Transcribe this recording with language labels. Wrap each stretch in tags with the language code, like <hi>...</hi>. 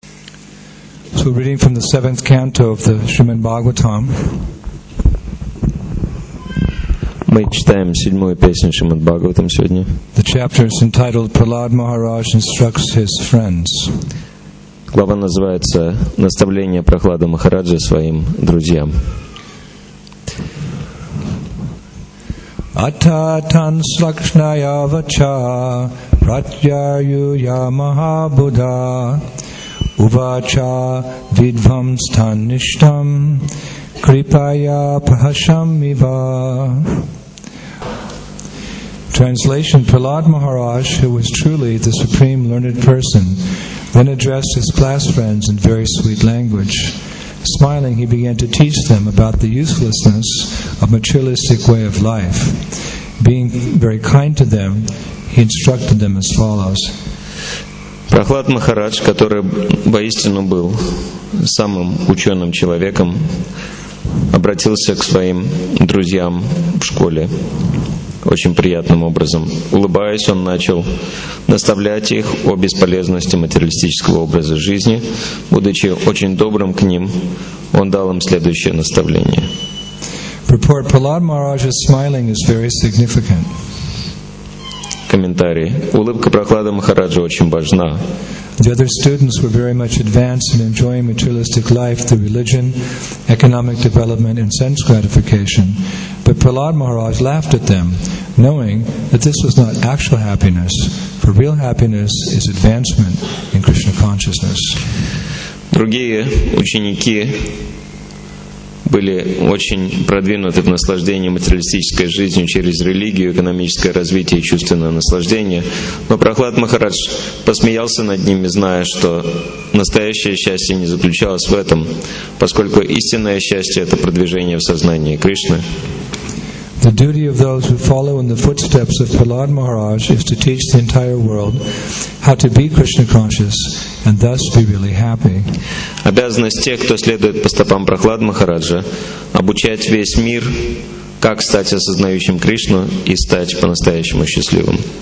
<en>So we're reading from the seventh canto of the Srimad Bhagavatam.</en> <ru>Мы читаем седьмую песню Шримад Бхагаватам сегодня.</ru> <en>The chapter is entitled Prahlad Maharaj Instructs His Friends.</en> <ru>Глава называется «Наставление Прохлада Махараджа своим друзьям».</ru> <sa>Ата танслакшная вача пратьяюя махабуддха увача видвам стаништам крипая прахашам ива.</sa> <en>Translation: Prahlad Maharaj, who was truly the supreme learned person, then addressed his class friends in very sweet language. Smiling, he began to teach them about the uselessness of materialistic way of life. Being very kind to them, he instructed them as follows.</en> <ru>Прохлад Махарадж, который воистину был самым ученым человеком, обратился к своим друзьям в школе. Очень приятным образом. Улыбаясь, он начал наставлять их о бесполезности материалистического образа жизни. Будучи очень добрым к ним, он дал им следующее наставление.</ru> <en>Report: Prahlad Maharaj's smiling is very significant.</en> <ru>Комментарий. Улыбка Прохлада Махараджа очень важна.</ru> <en>The other students were very much advanced in enjoying materialistic life through religion, economic development, and sense gratification. But Prahlad Maharaj laughed at them, knowing that this was not actual happiness, for real happiness is advancement in Krishna consciousness.</en> <ru>Другие ученики были очень продвинуты в наслаждении материалистической жизнью через религию, экономическое развитие и чувственное наслаждение. Но Прохлад Махарадж посмеялся над ними, зная, что настоящее счастье не заключалось в этом, поскольку истинное счастье — это продвижение в сознании Кришны.</ru> <en>The duty of those who follow in the footsteps of Prahlad Maharaj is to teach the entire world how to be Krishna conscious and thus be really happy.</en> <ru>Обязанность тех, кто следует по стопам Прохлад Махараджа, обучать весь мир, как стать осознающим Кришну и стать по-настоящему счастливым.</ru>